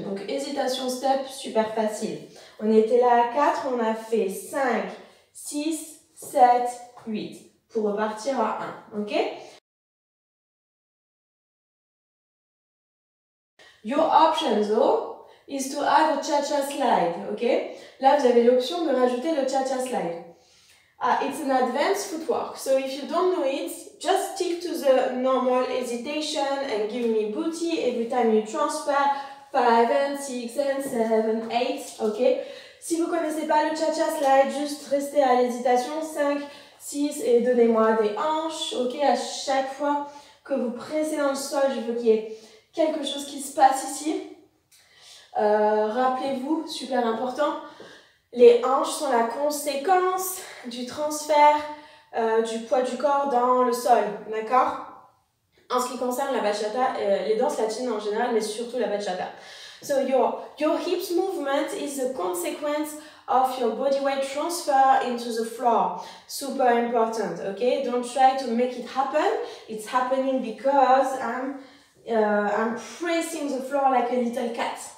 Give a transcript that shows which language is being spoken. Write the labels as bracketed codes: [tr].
[fr] Donc, hésitation step, super facile. On était là à 4, on a fait 5, 6, 7, 8. Pour repartir à 1, ok? [en] Your options, though, is to add a cha-cha slide, ok? [fr] Là, vous avez l'option de rajouter le cha-cha slide. [en] It's an advanced footwork, so if you don't know it, just stick to the normal hesitation and give me booty every time you transfer 5 and 6 and 7, 8, ok? [fr] Si vous ne connaissez pas le cha-cha slide, juste restez à l'hésitation 5, 6 et donnez-moi des hanches, ok? À chaque fois que vous pressez dans le sol, je veux qu'il y ait quelque chose qui se passe ici. Rappelez-vous, super important, les hanches sont la conséquence du transfert du poids du corps dans le sol, d'accord? En ce qui concerne la bachata, les danses latines en général, mais surtout la bachata. [en] So your hips movement is the consequence of your body weight transfer into the floor. Super important, okay? Don't try to make it happen. It's happening because I'm pressing the floor like a little cat.